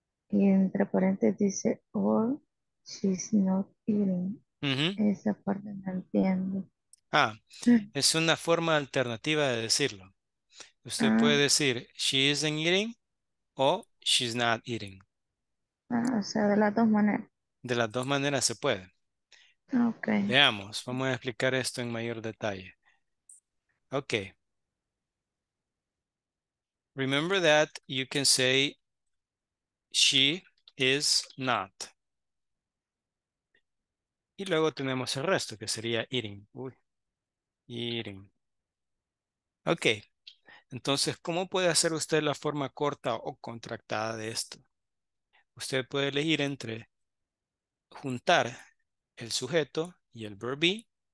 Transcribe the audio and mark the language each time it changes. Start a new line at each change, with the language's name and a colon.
Spanish: Y entre paréntesis dice,
English: or she's not eating.
Spanish: Esa parte no entiendo. Ah, es una forma alternativa de decirlo. Usted puede decir,
English: she isn't eating
Spanish: o
English: she's not eating.
Spanish: O sea, de las dos maneras. De las dos maneras se puede. Ok. Veamos, vamos a explicar esto en mayor detalle. Ok.
English: Remember that you can say, she is not.
Spanish: Y luego tenemos el resto, que sería eating. Uy, eating. Ok. Entonces, ¿cómo puede hacer usted la forma corta o contractada de esto? Usted puede elegir entre juntar el sujeto y el verb be.